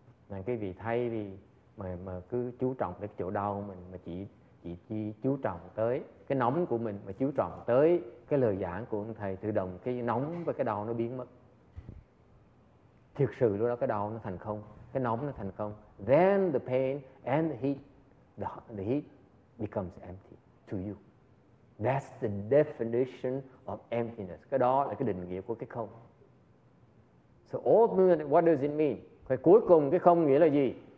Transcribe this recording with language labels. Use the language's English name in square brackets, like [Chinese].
[Vietnamese] Nên cái vị thay vì mà cứ chú trọng đến chỗ đau mình mà chỉ chú trọng tới cái nóng của mình mà chú trọng tới cái lời giảng của ông thầy, tự động cái nóng và cái đau nó biến mất. Thực sự lúc đó cái đau nó thành không. cái nóng nó thành công. [English] Then the pain and the heat becomes empty to you. That's the definition of emptiness. [Vietnamese] Cái đó là cái định nghĩa của cái không. [English] So ultimately, what does it mean? [Vietnamese] Cái cuối cùng cái không nghĩa là gì?